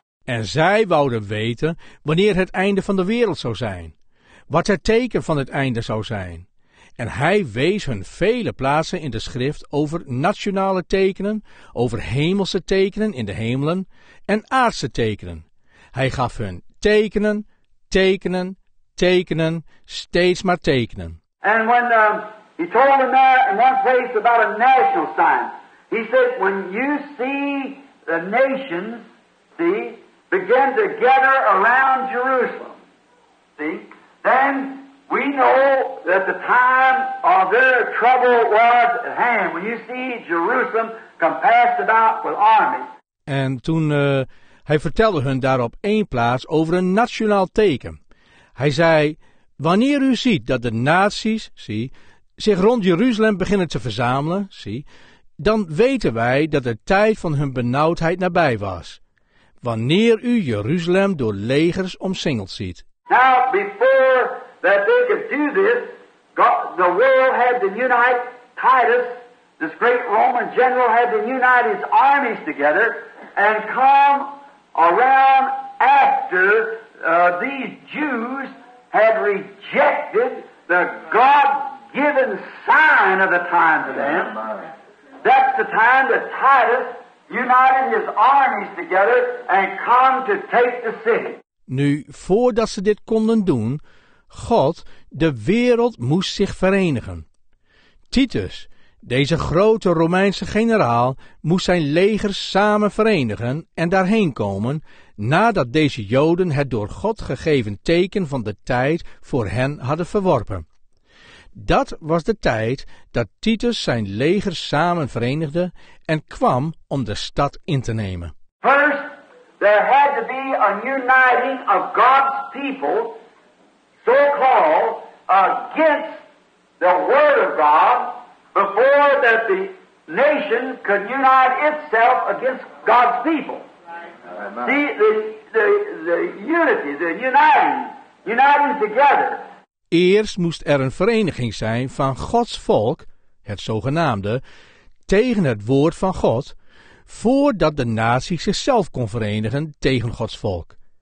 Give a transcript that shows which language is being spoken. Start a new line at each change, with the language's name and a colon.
Dutch: En zij wouden weten wanneer het einde van de wereld zou zijn, wat het teken van het einde zou zijn. En hij wees hun vele plaatsen in de schrift over nationale tekenen, over hemelse tekenen in de hemelen en aardse tekenen. Hij gaf hun tekenen, tekenen, tekenen, steeds maar tekenen.
English: And when he told them in one place about a national sign, he said, when you see the nations, begin to gather around Jerusalem, then we know that the time of their trouble was at hand. When you see Jerusalem compassed about with armies.
Dutch: En toen hij vertelde hun daar op één plaats over een nationaal teken. Hij zei, wanneer u ziet dat de naties, zich rond Jeruzalem beginnen te verzamelen, dan weten wij dat de tijd van hun benauwdheid nabij was. Wanneer u Jeruzalem door legers omsingeld ziet.
English: Now, before that they could do this, the world had to unite. Titus, this great Roman general, had to unite his armies together and come around after these Jews had rejected the God-given sign of the time to them. That's the time that Titus united his armies together and come to take the city.
Dutch: Nu, voordat ze dit konden doen, God, de wereld moest zich verenigen. Titus, deze grote Romeinse generaal, moest zijn leger samen verenigen en daarheen komen, nadat deze Joden het door God gegeven teken van de tijd voor hen hadden verworpen. Dat was de tijd dat Titus zijn leger samen verenigde en kwam om de stad in te nemen.
English: First, there had to be a uniting of God's people, so-called, against the Word of God, before that the nation could unite itself against God's people. See, the unity, the uniting together.
Dutch: Eerst moest er een vereniging zijn van Gods volk, het zogenaamde, tegen het woord van God, voordat de natie zichzelf kon verenigen tegen Gods volk.